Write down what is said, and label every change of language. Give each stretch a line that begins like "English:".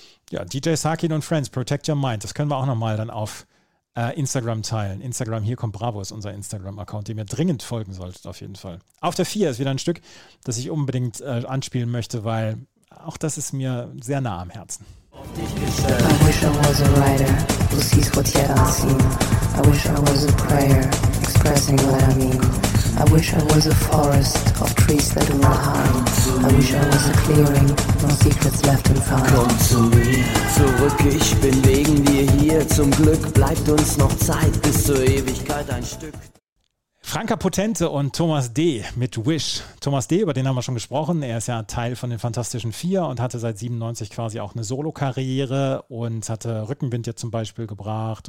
German: Ja, DJ Sakin und Friends, Protect Your Mind, das können wir auch nochmal dann auf Instagram teilen. Instagram, hier kommt Bravo, ist unser Instagram-Account, dem ihr dringend folgen solltet, auf jeden Fall. Auf der 4 ist wieder ein Stück, das ich unbedingt anspielen möchte, weil auch das ist mir sehr nah am Herzen.
English: I wish I was a writer who sees what yet unseen. I wish I was a prayer expressing what I mean. I wish I was a forest of trees that do not harm. I wish I was a clearing, no secrets left unfound.
German: Komm zu mir, zurück, ich bin wegen dir hier. Zum Glück bleibt uns noch Zeit bis zur Ewigkeit ein Stück. Franka Potente und Thomas D. mit Wish. Thomas D., über den haben wir schon gesprochen, er ist ja Teil von den Fantastischen Vier und hatte seit 97 quasi auch eine Solo-Karriere und hatte Rückenwind ja zum Beispiel gebracht.